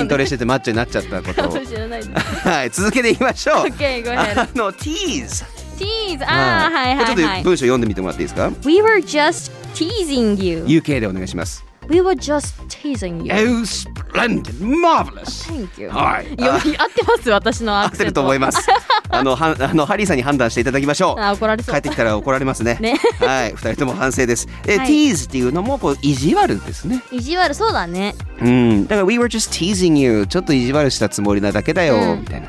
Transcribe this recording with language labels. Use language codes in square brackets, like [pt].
[ja] 筋トレしててマッチョになっちゃったことを。かもしれないです、はい、続けていきましょう。 [en] OK、 go ahead。 [ja] あの、ティーズ、ティーズ、あー、はいはいはい、ちょっと文章読んでみてもらっていいですか。 [en] We were just teasing you、 [ja] UK でお願いします。 [en] We were just teasing you. Oh, splendid, marvelous. Thank you. [ja] はい。読み合ってます私のアクセント。合ってると思います。あのハリーさんに判断していただきましょう。あ、怒られそう。帰ってきたら怒られますね。ね。はい、二人とも反省です。はい、tease っていうのもこう意地悪ですね。意地悪、そうだね。うん、だから [en] we were just teasing you、 [ja] ちょっと意地悪したつもりなだけだよ、うん、みたいな。